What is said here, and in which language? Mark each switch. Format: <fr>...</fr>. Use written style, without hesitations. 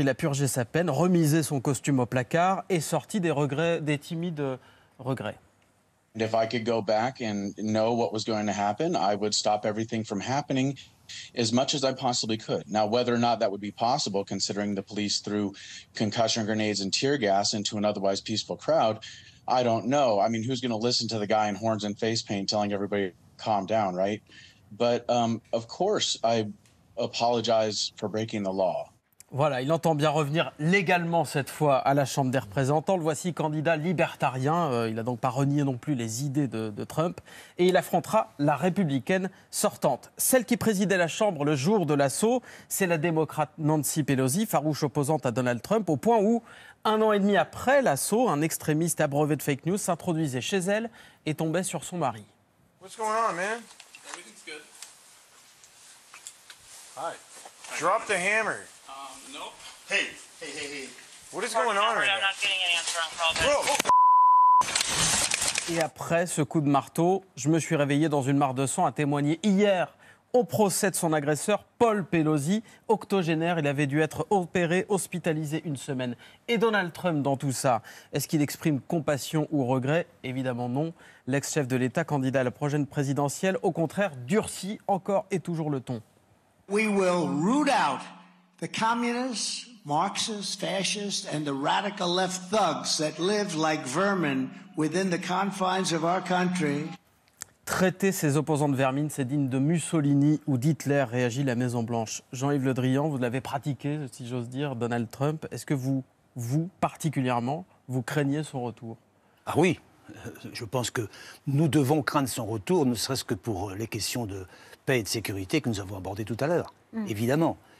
<fr>Il a purgé sa peine, remisé son costume au placard et sorti des regrets, des timides regrets.</fr> <en>If I could go back and know what was going to happen, I would stop everything from happening as much as I possibly could. Now, whether or not that would be possible, considering the police threw concussion grenades and tear gas into an otherwise peaceful crowd, I don't know. I mean, who's going to listen to the guy in horns and face paint telling everybody to calm down, right? But of course, I apologize for breaking the law.</en> <fr>Voilà, il entend bien revenir légalement cette fois à la Chambre des représentants. Le voici candidat libertarien. Il n'a donc pas renié non plus les idées de Trump. Et il affrontera la républicaine sortante. Celle qui présidait la Chambre le jour de l'assaut, c'est la démocrate Nancy Pelosi, farouche opposante à Donald Trump, au point où, un an et demi après l'assaut, un extrémiste abreuvé de fake news s'introduisait chez elle et tombait sur son mari.</fr> <en>What's going on, man? Everything's good. Hi. Drop the hammer. Nope. Hey. What is going on? I'm not getting an answer. I'm calling. Bro.</en> <fr>Et après ce coup de marteau, je me suis réveillé dans une mare de sang, a témoigné hier au procès de son agresseur, Paul Pelosi, octogénaire. Il avait dû être opéré, hospitalisé une semaine. Et Donald Trump, dans tout ça, est-ce qu'il exprime compassion ou regret? Évidemment non. L'ex-chef de l'État, candidat à la prochaine présidentielle, au contraire, durcit encore et toujours le ton. We will root out the communists, Marxists, fascists, and the radical left thugs that live like vermin within the confines of our country. Traiter ses opposants de vermine, c'est digne de Mussolini ou d'Hitler, réagit la Maison Blanche. Jean-Yves Le Drian, vous l'avez pratiqué, si j'ose dire, Donald Trump. Est-ce que vous particulièrement, vous craignez son retour? Ah oui, je pense que nous devons craindre son retour, ne serait-ce que pour les questions de paix et de sécurité que nous avons abordées tout à l'heure, évidemment.</fr>